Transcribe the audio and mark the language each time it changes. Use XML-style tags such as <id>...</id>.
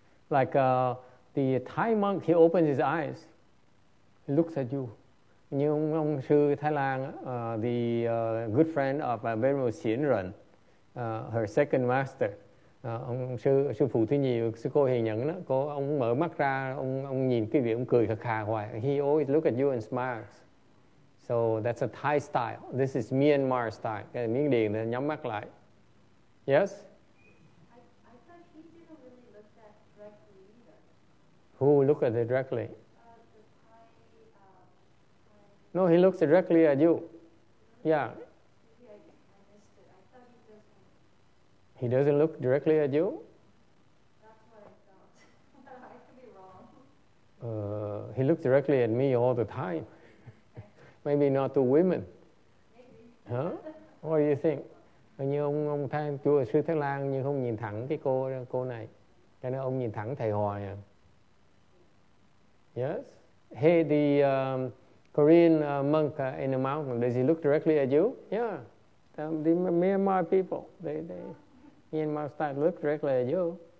<en>Like the Thai monk, he opens his eyes. He looks at you.</en> <vi>Như ông sư Thái Lan,</vi> <en>the good friend of Venerable Xin Ren, her second master,</en> <vi>ông sư phụ thứ nhì, sư cô Hiền Nhẫn đó, cô ông mở mắt ra, ông nhìn cái vị ông cười khà khà hoài.</vi> <en>He always look at you and smiles. So that's a Thai style. This is Myanmar style.</en> <vi>Cái Miến Điện thì nhắm mắt lại.</vi> <en>Yes? I thought he didn't really look that directly either. Who look at it directly? No, he looks directly at you. Yeah. He doesn't look directly at you? That's what I thought. I could be wrong. He looks directly at me all the time. Maybe not to women. Maybe. Huh? What do you think?</en> <vi>Như ông Thái, chùa sư Thái Lan như không nhìn thẳng cái cô này. Cho nên ông nhìn thẳng thầy Hoài à.</vi> <en>Yes? Hey, the Korean monk in the mountain, does he look directly at you? Yeah. The Myanmar people, they Myanmar style, look directly at you.</en>